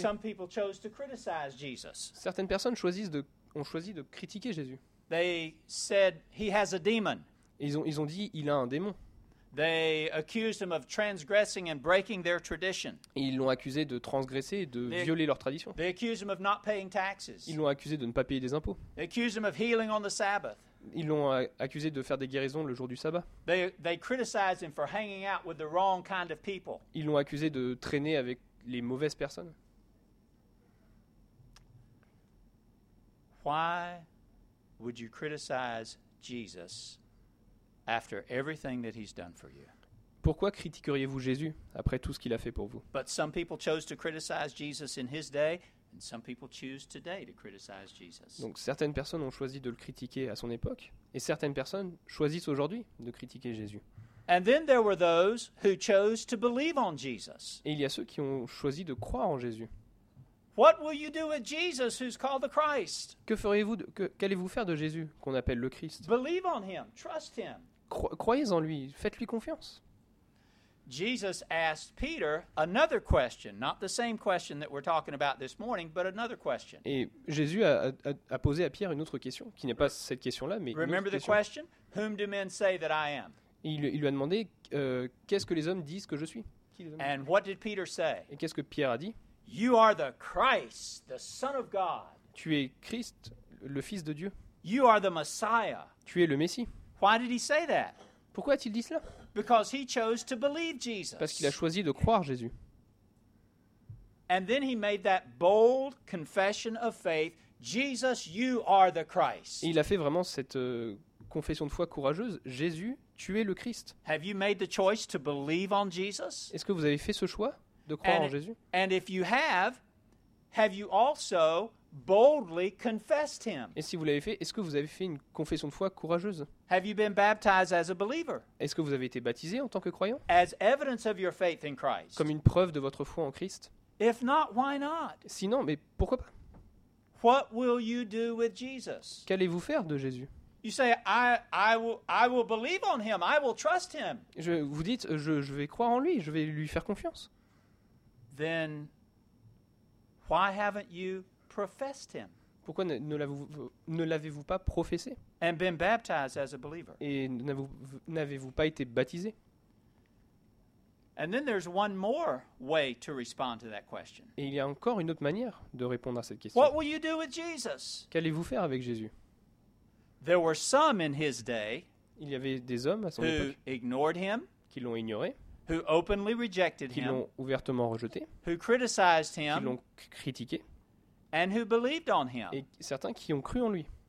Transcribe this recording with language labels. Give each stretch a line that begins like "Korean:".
English: Some people chose to criticize Jesus.
French: Certaines personnes ont choisi de critiquer Jésus.
English: They said he has a demon.
French: Ils ont dit il a un démon.
English: They accused him of transgressing and breaking their tradition.
French: Ils l'ont accusé de transgresser et de violer leur tradition.
English: They accused him of not paying taxes.
French: Ils l'ont accusé de ne pas payer des impôts.
English: They accused him of healing on the Sabbath.
French: Ils l'ont accusé de faire des guérisons le jour du sabbat.
English: They criticized him for hanging out with the wrong kind of people.
French: Ils l'ont accusé de traîner avec les mauvaises personnes.
English: Why would you criticize Jesus after everything that he's done for you?
French: Pourquoi critiqueriez-vous Jésus après tout ce qu'il a fait pour vous?
English: But some people chose to criticize Jesus in his day. And some people choose today to criticize Jesus.
French: Donc certaines personnes ont choisi de le critiquer à son époque et certaines personnes choisissent aujourd'hui de critiquer Jésus.
English: And then there were those who chose to believe on Jesus.
French: Et il y a ceux qui ont choisi de croire en Jésus.
English: What will you do with Jesus who's called the Christ?
French: Qu'allez-vous faire de Jésus qu'on appelle le Christ?
English: Believe on him, trust him.
French: Croyez en lui, faites-lui confiance.
English: Jesus asked Peter another question, not the same question that we're talking about this morning, but another question.
French: Et Jésus a posé à Pierre une autre question, qui n'est pas cette question-là, mais
English: remember
French: une autre question.
English: Remember the question? Whom do men say that I am?
French: Il lui a demandé, qu'est-ce que les hommes disent que je suis?
English: And what did Peter say?
French: Et qu'est-ce que Pierre a dit?
English: You are the Christ, the Son of God.
French: Tu es Christ, le Fils de Dieu.
English: You are the Messiah.
French: Tu es le Messie.
English: Why did he say that?
French: Pourquoi a-t-il dit cela?
English: Because he chose to believe Jesus.
French: Parce qu'il a choisi de croire Jésus.
English: And then he made that bold confession of faith, Jesus, you are the Christ.
French: Et il a fait vraiment cette confession de foi courageuse, Jésus, tu es le Christ.
English: Have you made the choice to believe on Jesus?
French: Est-ce que vous avez fait ce choix de croire en Jésus?
English: And if you have you also boldly confessed him?
French: Et si vous l'avez fait, est-ce que vous avez fait une confession de foi courageuse?
English: Have you been baptized as a believer?
French: Est-ce que vous avez été baptisé en tant que croyant?
English: As evidence of your faith in Christ.
French: Comme une preuve de votre foi en Christ.
English: If not, why not?
French: Sinon, mais pourquoi pas?
English: What will you do with Jesus?
French: Qu'allez-vous faire de Jésus?
English: You say, I will believe on him. I will trust him.
French: Vous dites, je vais croire en lui. Je vais lui faire confiance.
English: Then, why haven't you professed him?
French: Pourquoi ne l'avez-vous pas professé?
English: And been baptized as a believer.
French: Et n'avez-vous pas été baptisé?
English: And then there's one more way to respond to that question.
French: Et il y a encore une autre manière de répondre à cette question.
English: What will you do with Jesus?
French: Qu'allez-vous faire avec Jésus?
English: There were some in his day.
French: Il y avait des hommes à son époque
English: who ignored him,
French: qui l'ont ignoré,
English: who openly rejected
French: qui l'ont ouvertement rejeté,
English: who criticized him,
French: qui l'ont critiqué,
English: and who believed on him.
French: Et certains qui ont cru en lui.